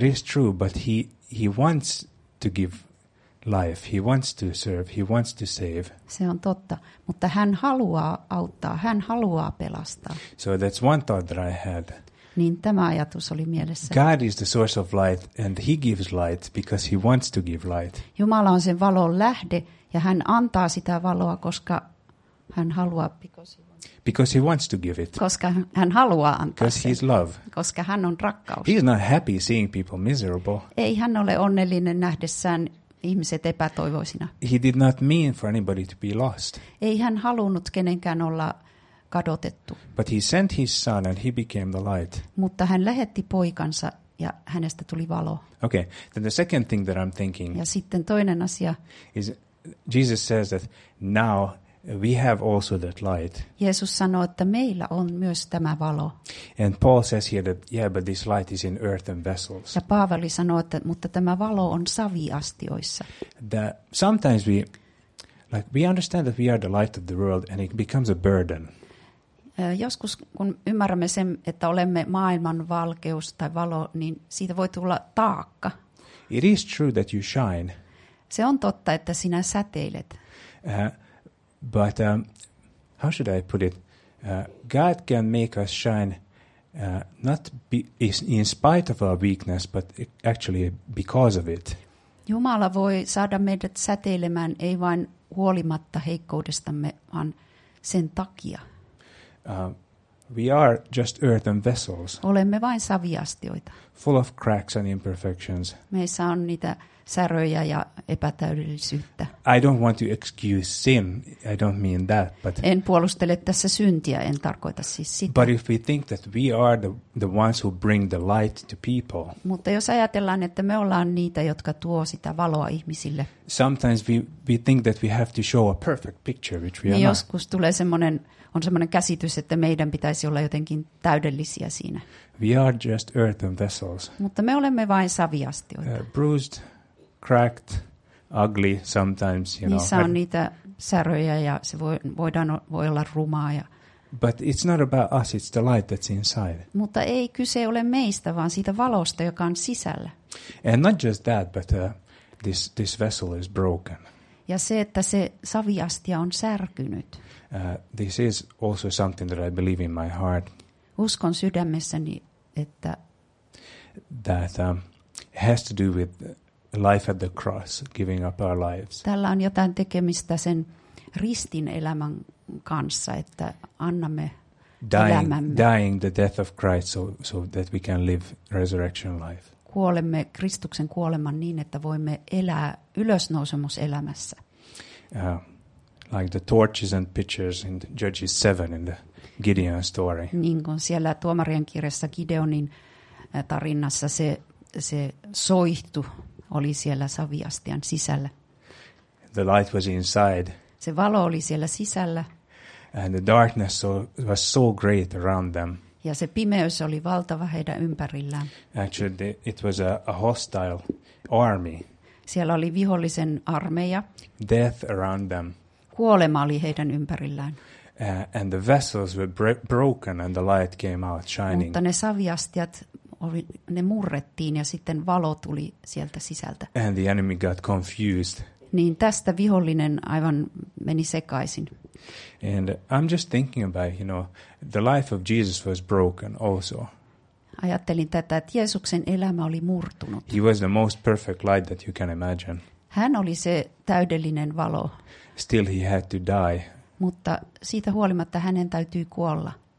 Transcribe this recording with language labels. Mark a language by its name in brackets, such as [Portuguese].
[English] That is true, but he wants to give life. He wants to serve. He wants to save. [Finnish] Se on totta, mutta hän haluaa auttaa. Hän haluaa pelastaa. [English] So that's one thought that I had. [Finnish] Niin tämä ajatus oli mielessä. [English] God is the source of light and he gives light because he wants to give light. [Finnish] Jumala on sen valon lähde ja hän antaa sitä valoa, koska hän haluaa. [English] Because he wants to give it. [Finnish] Koska hän haluaa antaa. [English] Because he's love. [Finnish] Koska hän on rakkaus. [English] He is not happy seeing people miserable. [Finnish] Ei hän ole onnellinen nähdessään ihmiset epätoivoisina. [English] He did not mean for anybody to be lost. [Finnish] Ei hän halunnut kenenkään olla kadotettu. [English] But he sent his son and he became the light. [Finnish] Mutta hän lähetti poikansa ja hänestä tuli valo. [English] Okay, then the second thing that I'm thinking. [Finnish] Ja sitten toinen asia. [English] Is Jesus says that now We have also that light. [Finnish] Jeesus sanoo, että meillä on myös tämä valo. [English] And Paul says here that yeah, but this light is in earthen vessels. [Finnish] Ja Paavali sanoo, että mutta tämä valo on saviastioissa. [English] That sometimes we understand that we are the light of the world and it becomes a burden. [Finnish] Joskus kun ymmärrämme sen, että olemme maailman valkeus tai valo, niin siitä voi tulla taakka. [English] It is true that you shine. [Finnish] Se on totta, että sinä säteilet. [English] But how should I put it? God can make us shine not in spite of our weakness, but actually because of it. [Finnish] Jumala voi saada meidät säteilemään ei vain huolimatta heikkoudestamme, vaan sen takia. [English] We are just earthen vessels. [Finnish] Olemme vain saviastioita. [English] Full of cracks and imperfections. [Finnish] Meissä on niitä säröjä ja epätäydellisyyttä. [English] I don't want to excuse sin. I don't mean that, but [Finnish] en puolustele tässä syntiä, en tarkoita siis sitä. [English] But if we think that we are the ones who bring the light to people. [Finnish] Mutta jos ajatellaan, että me ollaan niitä, jotka tuo sitä valoa ihmisille. [English] Sometimes we think that we have to show a perfect picture, which we are not. [Finnish] Joskus tulee semmonen on semmoinen käsitys, että meidän pitäisi olla jotenkin täydellisiä siinä. [English] We are just earthen vessels. [Finnish] Mutta me olemme vain saviastioita. [English] Bruised, cracked, ugly sometimes, you know. [Finnish] Niissä on niitä säröjä ja se voi olla rumaa ja. [English] But it's not about us, it's the light that's inside. [Finnish] Mutta ei kyse ole meistä, vaan siitä valosta, joka on sisällä. [English] And not just that, but this vessel is broken. [Finnish] Ja se, että se saviastia on särkynyt. [English] This is also something that I believe in my heart. [Finnish] Uskon sydämessäni, että [English] that has to do with life at the cross, giving up our lives. [Finnish] Tällä on jotain tekemistä sen ristin elämän kanssa, että annamme elämämme. [English] Dying the death of Christ so that we can live resurrection life. [Finnish] Kuolemme Kristuksen kuoleman niin, että voimme elää ylösnousemuselämässä. [English] Like the torches and pitchers in Judges 7 in the Gideon story. [Finnish] Niin kuin siellä Tuomarien kirjassa Gideonin tarinassa se soihtu oli siellä saviastian sisällä. [English] The light was inside. [Finnish] Se valo oli siellä sisällä. [English] And the darkness was so great around them. [Finnish] Ja se pimeys oli valtava heidän ympärillään. [English] Actually, it was a hostile army. [Finnish] Siellä oli vihollisen armeija. [English] Death around them. [Finnish] Kuolema oli heidän ympärillään. [English] And the vessels were broken and the light came out shining. [Finnish] Mutta ne saviastiat ne murrettiin ja sitten valo tuli sieltä sisältä. [English] And the enemy got confused. [Finnish] Niin tästä vihollinen aivan meni sekaisin. [English] And I'm just thinking about, you know, the life of Jesus was broken also. [Finnish] Ajattelin tätä, että Jeesuksen elämä oli murtunut. [English] He was the most perfect light that you can imagine. [Finnish] Hän oli se täydellinen valo. [English] Still he had to die. [Finnish] Mutta siitä huolimatta hänen täytyy kuolla.